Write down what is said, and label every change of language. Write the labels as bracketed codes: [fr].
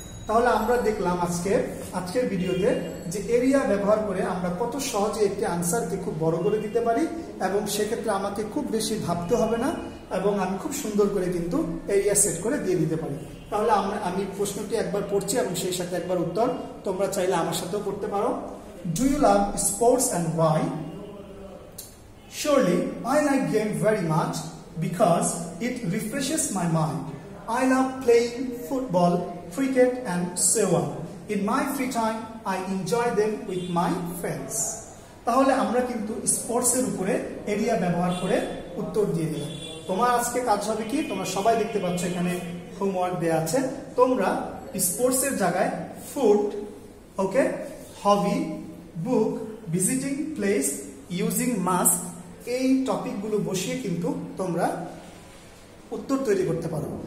[bn] তাহলে আমরা দেখলাম আজকের ভিডিওতে যে এরিয়া ব্যবহার করে আমরা কত সহজে একটি আনসারকে খুব বড় করে দিতে পারি এবং সেক্ষেত্রে আমাকে খুব বেশি ভাবতে হবে না এবং আমি খুব সুন্দর করে কিন্তু এরিয়া সেট করে দিয়ে দিতে পারি। তাহলে আমি প্রশ্নটি একবার পড়ছি এবং সেই সাথে একবার উত্তর তোমরা চাইলে আমার সাথেও করতে পারো। [en] Do you love sports and why? Surely I like game very much because it refreshes my mind. I love playing football, cricket and so on. In my free time I enjoy them with my friends. [bn] তাহলে আমরা কিন্তু sports এর উপরে area ব্যবহার করে উত্তর দিয়ে দিলাম। তোমার আজকে কাজ হবে কি, তোমরা সবাই দেখতে পাচ্ছ এখানে হোমওয়ার্ক দেয়া আছে, তোমরা স্পোর্টস এর জায়গায় ফুড, ওকে, হবি, বুক, ভিজিটিং প্লেস, ইউজিং মাস্ক, এই টপিকগুলো বসিয়ে কিন্তু তোমরা উত্তর তৈরি করতে পারো।